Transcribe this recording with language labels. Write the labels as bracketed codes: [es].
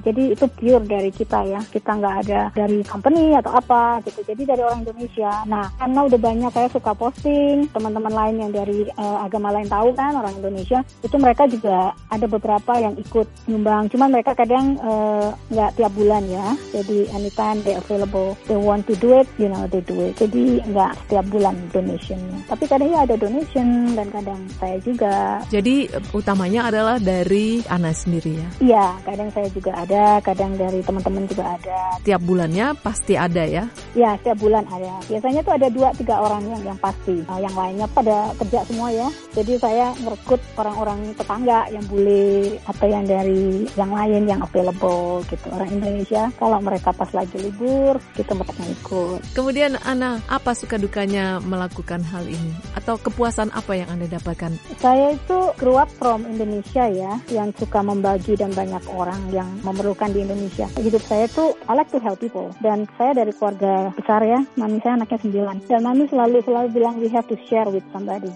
[id] Jadi itu pure dari kita ya, kita gak ada dari company atau apa gitu. Jadi dari orang Indonesia. Nah, karena udah banyak, saya suka posting, teman-teman lain yang dari agama lain tahu kan, orang Indonesia, itu mereka juga ada beberapa yang ikut nyumbang. Cuman mereka kadang nggak tiap bulan ya. [en] Jadi anytime they available, they want to do it, you know, they do it. [id] Jadi nggak setiap bulan donationnya. Tapi kadang ya ada donation, dan kadang saya juga. Jadi utamanya adalah dari Ana sendiri ya? Iya, kadang saya juga ada, kadang dari teman-teman juga ada. Tiap bulannya pasti ada ya? Iya, setiap bulan ada. Biasanya tuh ada 2-3 orang yang pasti. Yang lainnya pada kerja semua ya. Jadi saya merekrut orang-orang tetangga yang bule atau yang dari yang lain yang available gitu. Orang Indonesia, kalau mereka pas lagi libur, kita mereka ikut. Kemudian Ana, apa suka dukanya melakukan hal ini? Atau kepuasan apa yang Anda dapatkan? Saya itu [en] grew up from Indonesia [id] ya, yang suka membagi dan banyak orang yang memerlukan di Indonesia. Hidup saya itu [en] I like to help people. [id] Dan saya dari keluarga besar ya, mami saya anaknya 9. Dan mami selalu bilang [en] we have to share with somebody.